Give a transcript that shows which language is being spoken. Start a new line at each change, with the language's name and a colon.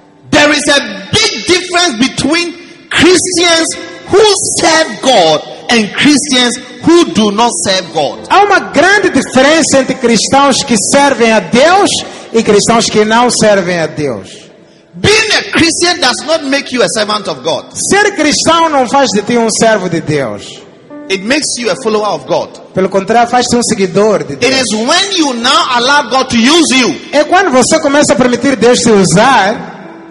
English: There is a big difference between Christians who serve God and Christians who do not serve God.
Portuguese: Há uma grande diferença entre cristãos que servem a Deus e cristãos que não servem a Deus.
English: Being a Christian does not make you a servant of God.
Portuguese: Ser cristão não faz de ti servo de Deus.
English: It makes you a follower of God.
Portuguese: Pelo contrário, faz-te seguidor de Deus.
English: It is when you now allow God to use you.
Portuguese: É quando você começa a permitir Deus te usar